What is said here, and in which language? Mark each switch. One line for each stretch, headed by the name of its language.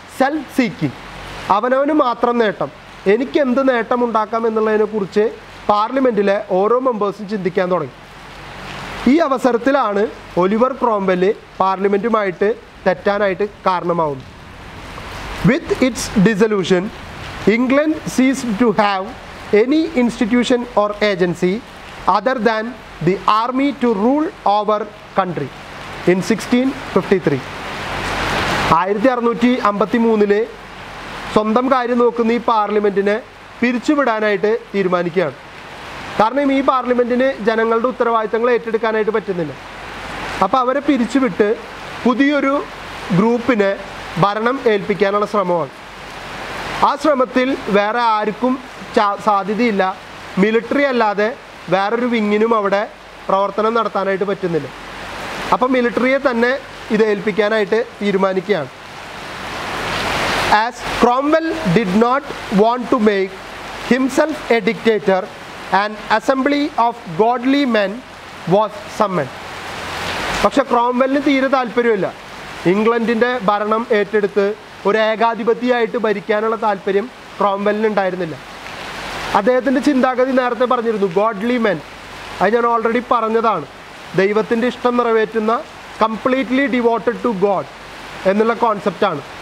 Malayalam: Self seeking, അവനവന് മാത്രം നേട്ടം, എനിക്കെന്ത് നേട്ടം ഉണ്ടാക്കാം എന്നുള്ളതിനെക്കുറിച്ച് പാർലമെൻറ്റിലെ ഓരോ മെമ്പേഴ്സും ചിന്തിക്കാൻ തുടങ്ങി. ഈ അവസരത്തിലാണ് Oliver ക്രോംവെല് പാർലമെൻറ്റുമായിട്ട് തെറ്റാനായിട്ട് കാരണമാവുന്നത്.
English: With its dissolution England ceased to have any institution or agency other than the army to rule over country in 1653.
Malayalam: 1653 സ്വന്തം കാര്യം നോക്കുന്ന ഈ പാർലമെൻറ്റിനെ പിരിച്ചുവിടാനായിട്ട് തീരുമാനിക്കുകയാണ്. കാരണം ഈ പാർലമെൻറ്റിന് ജനങ്ങളുടെ ഉത്തരവാദിത്തങ്ങൾ ഏറ്റെടുക്കാനായിട്ട് പറ്റുന്നില്ല. അപ്പോൾ അവരെ പിരിച്ചുവിട്ട് പുതിയൊരു ഗ്രൂപ്പിനെ ഭരണം ഏൽപ്പിക്കാനുള്ള ശ്രമമാണ്. ആ ശ്രമത്തിൽ വേറെ ആർക്കും സാധ്യതയില്ല. മിലിട്ടറി അല്ലാതെ വേറൊരു വിങ്ങിനും അവിടെ പ്രവർത്തനം നടത്താനായിട്ട് പറ്റുന്നില്ല. അപ്പോൾ മിലിട്ടറിയെ തന്നെ ഇത് ഏൽപ്പിക്കാനായിട്ട് തീരുമാനിക്കുകയാണ്.
English: As Cromwell did not want to make himself a dictator, an assembly of godly men was summoned.
Malayalam: പക്ഷെ ക്രോംവെല്ലിന് തീരെ താല്പര്യമില്ല. ഇംഗ്ലണ്ടിൻ്റെ ഭരണം ഏറ്റെടുത്ത് ഒരു ഏകാധിപതിയായിട്ട് ഭരിക്കാനുള്ള താല്പര്യം ക്രോംവെല്ലിനുണ്ടായിരുന്നില്ല. അദ്ദേഹത്തിൻ്റെ ചിന്താഗതി നേരത്തെ പറഞ്ഞിരുന്നു, ഗോഡ്ലി മെൻ. അത് ഞാൻ ഓൾറെഡി പറഞ്ഞതാണ്, ദൈവത്തിൻ്റെ ഇഷ്ടം നിറവേറ്റുന്ന കംപ്ലീറ്റ്ലി ഡിവോട്ടഡ് ടു ഗോഡ് എന്നുള്ള കോൺസെപ്റ്റാണ്.